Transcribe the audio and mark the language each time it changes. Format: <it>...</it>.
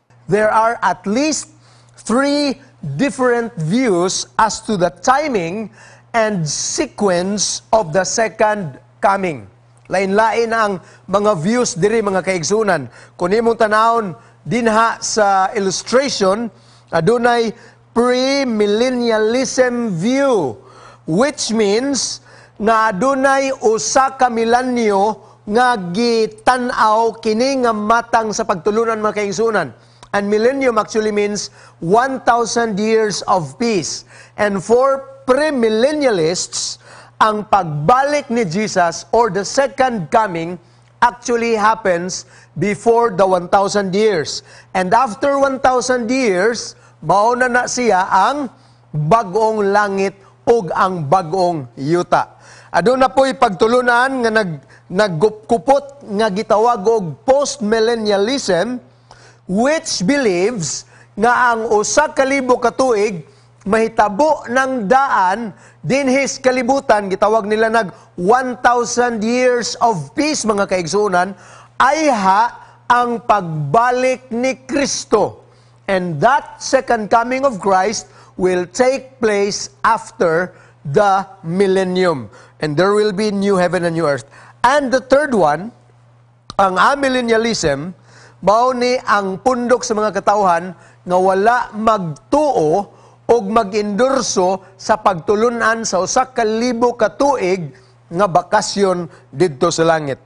<en>There are at least 3 different views as to the timing and sequence of the second coming.</en> <ceb>Lain-lain ang mga views diri mga kaigsuonan. Kung imong tanawon dinha sa illustration, adunay premillennialism view,</ceb> <en>which means</en> <ceb>na adunay usa ka milenyo nga gitan-aw kini nga matang sa pagtulunan mga kaigsuonan.</ceb> <en>And millennium actually means 1,000 years of peace. And for premillennialists,</en> <ceb>ang pagbalik ni Jesus</ceb> <en>or the second coming actually happens before the 1,000 years. And after 1,000 years,</en> <ceb>mauna na siya ang bagong langit ug ang bagong yuta. Aduna po'y pagtulunan nga nagkupot nga gitawag og post-millennialism,</ceb> <en>which believes</en> <ceb>nga ang 1,000 katuig mahitabo ng daan dinhis kalibutan, gitawag nila nag</ceb> <en>1,000 years of peace,</en> <ceb>mga kaigsoonan, ay ha ang pagbalik ni Kristo.</ceb> <en>And that second coming of Christ will take place after the millennium. And there will be new heaven and new earth. And the third one,</en> <ceb>ang amillennialism, mao ni ang pundok sa mga katauhan na wala magtuo o mag-endorso sa pagtulunan sa 1,000 katuig nga bakasyon dito sa langit.</ceb>